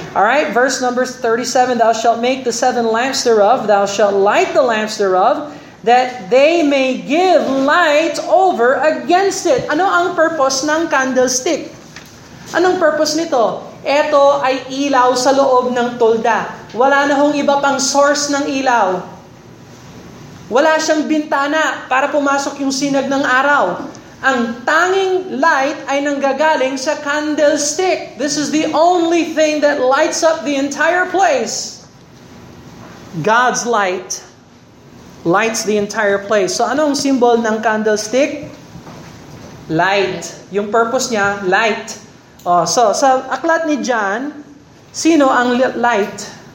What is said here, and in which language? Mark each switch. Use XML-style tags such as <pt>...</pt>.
<en>Alright, verse number 37, thou shalt make the 7 lamps thereof, thou shalt light the lamps thereof, that they may give light over against it.</en> <tl>Ano ang purpose ng candlestick? Anong purpose nito? Ito ay ilaw sa loob ng tolda. Wala na hong iba pang source ng ilaw. Wala siyang bintana para pumasok yung sinag ng araw. Ang tanging light ay nanggagaling sa candlestick.</tl> <en>This is the only thing that lights up the entire place. God's light lights the entire place. So anong symbol ng candlestick? Light.</en> <tl>Yung purpose niya, light. Oh, so, sa aklat ni John, sino ang light?</tl>